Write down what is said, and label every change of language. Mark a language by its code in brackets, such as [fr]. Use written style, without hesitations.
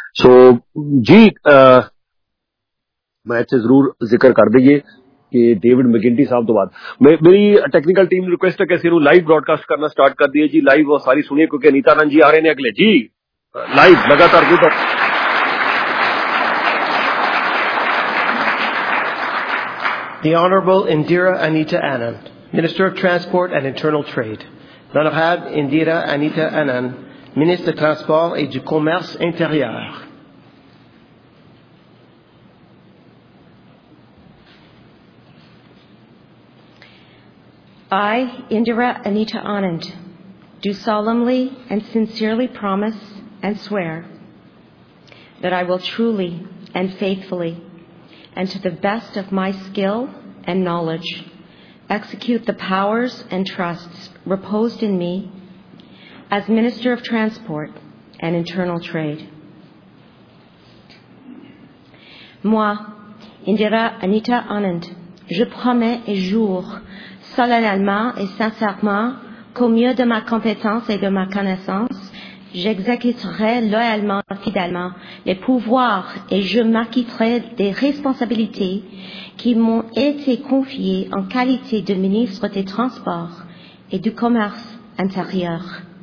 [pa] ਸੋ ਜੀ ਮੈਂ ਇੱਥੇ ਜ਼ਰੂਰ ਜ਼ਿਕਰ ਕਰ ਦਈਏ ਕਿ ਡੇਵਿਡ ਮੈਕਿੰਟੀ ਸਾਹਿਬ ਤੋਂ ਬਾਅਦ ਮੇਰੀ ਟੈਕਨੀਕਲ ਟੀਮ ਨੂੰ ਰਿਕੁਐਸਟ ਹੈ ਕਿ ਅਸੀਂ ਨੂੰ ਲਾਈਵ ਬ੍ਰੌਡਕਾਸਟ ਕਰਨਾ ਸਟਾਰਟ ਕਰ ਦਈਏ ਜੀ। ਲਾਈਵ ਸਾਰੀ ਸੁਣੀਏ ਕਿਉਂਕਿ ਅਨੀਤਾ ਆਨੰਦ ਜੀ ਆ ਰਹੇ ਨੇ ਅਗਲੇ ਜੀ, ਲਾਈਵ ਲਗਾਤਾਰ ਜੀ ਤੁਹਾਡਾ [en] The Honorable Indira Anita Anand, Minister of Transport and Internal Trade. [fr] L'Honorable Indira Anita Anand, Ministre de Transport et du Commerce Intérieur. [en] I, Indira Anita Anand, do solemnly and sincerely promise and swear that I will truly and faithfully and to the best of my skill and knowledge, execute the powers and trusts reposed in me as Minister of Transport and Internal Trade. [fr] Moi, Indira Anita Anand, je promets et jure solennellement et sincèrement qu'au mieux de ma compétence et de ma connaissance, j'exécuterai loyalement et fidèlement les pouvoirs et je m'acquitterai des responsabilités qui m'ont été confiées en qualité de ministre des Transports et du Commerce Intérieur.